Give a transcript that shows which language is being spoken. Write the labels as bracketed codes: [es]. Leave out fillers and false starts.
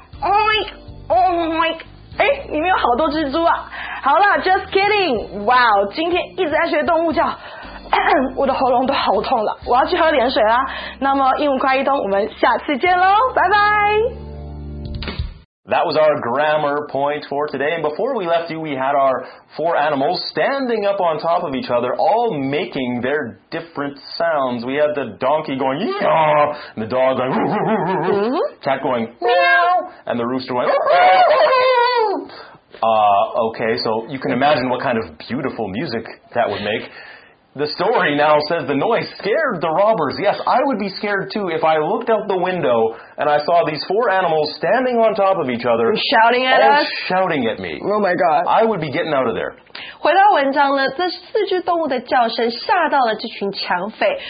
[zh] Oink Oink。 哎，里面有好多蜘蛛啊！好了 ， [en] just kidding。 [zh] 哇哦，今天一直在学动物叫，我的喉咙都好痛了，我要去喝点水啦。那么英文快一通，我们下次见喽，拜拜。 [en] That was our grammar point for today. And before we left you, we had our four animals standing up on top of each other, all making their different sounds. We had the donkey going, yeah, and the dog going, cat going, meow, and the rooster going, okay, so you can imagine what kind of beautiful music that would make. The story now says the noise scared the robbers. Yes, I would be scared too if I looked out the window and I saw these four animals standing on top of each other. Shouting at us? Shouting at me. Oh my God. I would be getting out of there. [zh] 回到文章了，这四只动物的叫声吓到了这群抢匪。